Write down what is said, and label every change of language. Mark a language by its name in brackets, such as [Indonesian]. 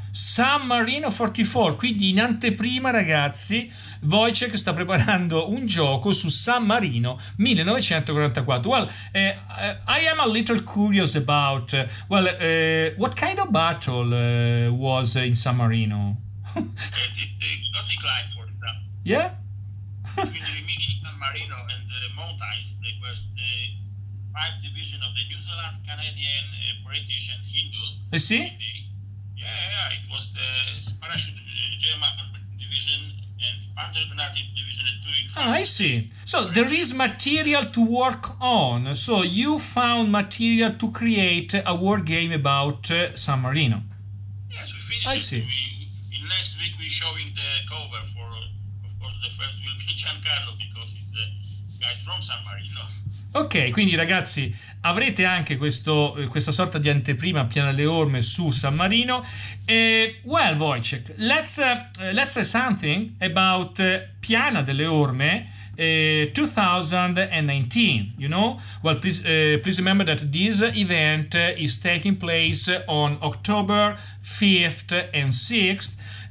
[Italian] San Marino 44, quindi in anteprima ragazzi, Wojciech sta preparando un gioco su San Marino 1944. [English] Well, I am a little curious about, well, what kind of battle was in San Marino? Not declined for example. Yeah? Between the Rimini, San Marino and the mountains, they were the... five division of the New Zealand, Canadian, British, and Hindu. I see. Yeah, it was the parachute German division and Panzergrenadier division at 2 in 5. Ah, I see. So there is material to work on. So you found material to create a war game about San Marino. Yes, we finished. I see. In next week we're showing the cover for, of course, the first will be Giancarlo because he's the guy from San Marino. [Italian] Ok, quindi ragazzi, avrete anche questa sorta di anteprima a Piana delle Orme su San Marino. [English] Well, Wojciech, let's say something about Piana delle Orme 2019, you know? Well, please remember that this event is taking place on October 5th and 6th.